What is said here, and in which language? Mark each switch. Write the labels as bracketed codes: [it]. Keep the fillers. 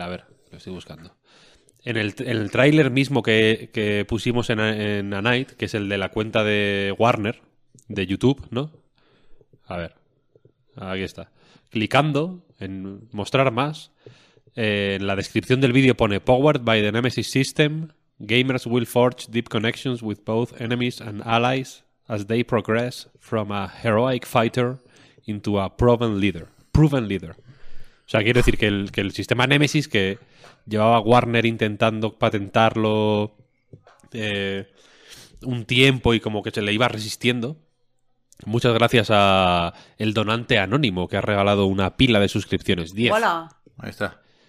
[es] A ver, lo estoy buscando. En el, el trailer tráiler mismo que, que pusimos en, A Night, que es el de la cuenta de Warner, de YouTube, ¿no? A ver. Aquí está. Clicando en mostrar más. Eh, en la descripción del vídeo pone [en] Powered by the Nemesis System. Gamers will forge deep connections with both enemies and allies as they progress from a heroic fighter into a proven leader. Proven leader. [es] O sea, quiero decir que el, que el sistema Nemesis que llevaba Warner intentando patentarlo eh, un tiempo y como que se le iba resistiendo. Muchas gracias a el donante anónimo que ha regalado una pila de suscripciones. 10. Hola. Ahí está.